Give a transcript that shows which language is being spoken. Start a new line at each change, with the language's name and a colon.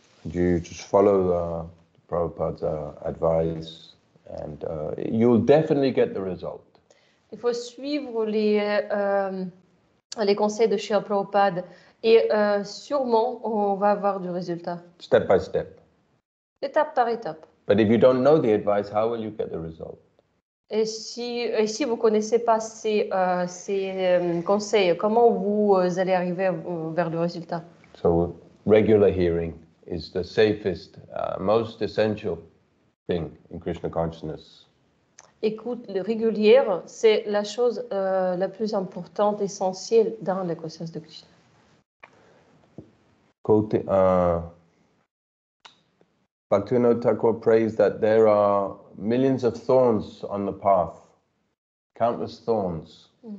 English: You just follow Prabhupada's advice. And you'll definitely get the result.
French: Il faut suivre les conseils de Shri Prabhupada et sûrement on va avoir du résultat.
English: Step by step.
French: Étape par étape.
English: But if you don't know the advice, how will you get the result?
French: Et si vous connaissez pas ces conseils, comment vous allez arriver vers le résultat?
English: So regular hearing is the safest, most essential thing in Krishna consciousness.
French: Écoute régulière, c'est la chose la plus importante, essentielle dans la conscience de Krishna.
English: Côté Bhaktivinoda Thakur prays that there are millions of thorns on the path, countless thorns.